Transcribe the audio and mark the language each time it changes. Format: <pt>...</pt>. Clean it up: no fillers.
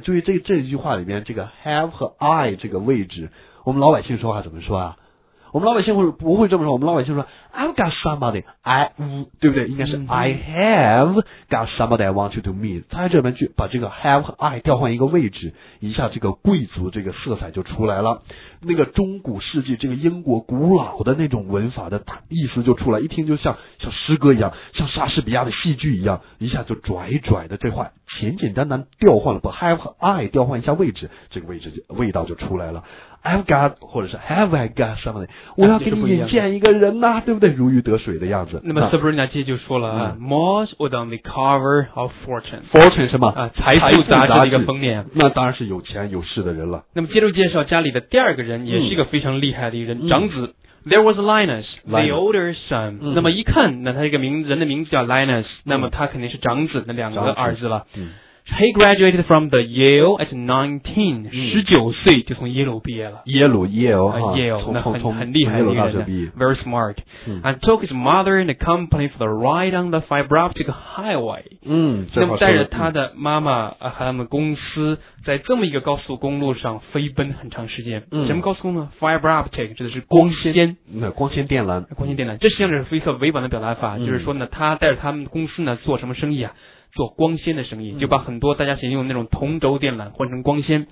<zh>注意这句话里面这个 have 和 I 这个位置，我们老百姓说话怎么说啊？我们老百姓不会这么说，我们老百姓说</zh> <en>I've got somebody，</en> <zh>对不对？应该是</zh> <en>I have got somebody I want you to meet。</en> <zh>他在这边去把这个 have 和 I 调换一个位置，一下这个贵族这个色彩就出来了，那个中古世纪这个英国古老的那种文法的意思就出来，一听就像诗歌一样，像莎士比亚的戏剧一样，一下就拽拽的，这话简简单单调换了，把 have 和 I 调换一下位置，这个位置味道就出来了。</zh> <en>I've got， 或者是 Have I got somebody？</en> <zh>我要给你引荐一个人呐，啊，对不对？如鱼得水的样子。那么 Sabrina 姐就说了，嗯，</zh> <en>Moss was on the cover of Fortune。</en> <zh>Fortune 什么？啊，财富杂志的一个封面。那当然是有钱有势的人了。那么接着介绍家里的第二个人，也是一个非常厉害的一个人，嗯，长子。</zh> <en>There was Linus, the older son，嗯。</en> <zh>那么一看，那他这个名人的名字叫 Linus，嗯，那么他肯定是长子，那两个儿子了。嗯，</zh> <en>He graduated from the Yale at 19，</en> <zh>19岁就从耶鲁毕业了。</zh> <en>Yale，</en> <zh>那很厉害的一个人，</zh> <en>very smart，嗯。 And took his mother and the company for the ride on the fiber optic highway。嗯，</en> <zh>那么带着他的妈妈和他们公司，在这么一个高速公路上飞奔很长时间。嗯，什么高速公路呢 ？Fiber optic 指的是光纤，那光纤电缆，光纤电缆。这实际上是非常委婉的表达法，嗯，就是说呢，他带着他们公司呢做什么生意啊？做光纤的生意，就把很多大家想用的那种同轴电缆换成光纤。</zh>